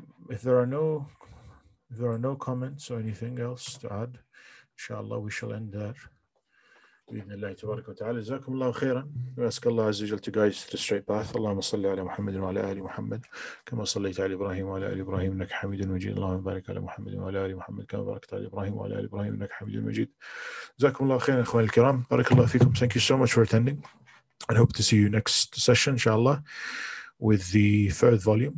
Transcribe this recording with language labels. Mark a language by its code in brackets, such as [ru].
[en] If there are no comments or anything else to add, inshallah, we shall end there. [ar] بإذن الله تبارك وتعالى جزاكم الله خيرا وأسك الله عز وجل [en] to guide the straight path. [ar] اللهم صل على محمد وعلى آل محمد كما صليت على إبراهيم وعلى آل إبراهيم إنك حميد مجيد. اللهم بارك على محمد وعلى آل محمد كما باركت على إبراهيم وعلى آل إبراهيم إنك حميد مجيد. جزاكم الله خيرا إخواني الكرام, بارك الله فيكم. [en] Thank you so much for attending. I hope to see you next session inshallah with the third volume.